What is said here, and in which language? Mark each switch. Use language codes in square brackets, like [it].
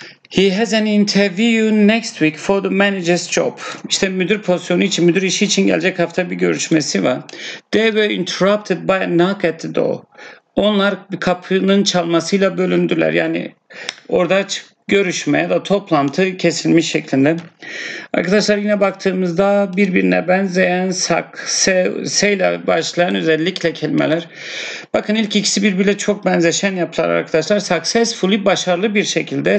[en] He has an interview next week for the manager's job. [tr] İşte müdür pozisyonu için, müdür işi için gelecek hafta bir görüşmesi var. [en] They were interrupted by a knock at the door. [tr] Onlar bir kapının çalmasıyla bölündüler. Yani orada görüşme ya da toplantı kesilmiş şeklinde. Arkadaşlar yine baktığımızda birbirine benzeyen sak, se ile başlayan özellikle kelimeler. Bakın ilk ikisi birbirine çok benzeşen yapılar arkadaşlar. Successfully, başarılı bir şekilde.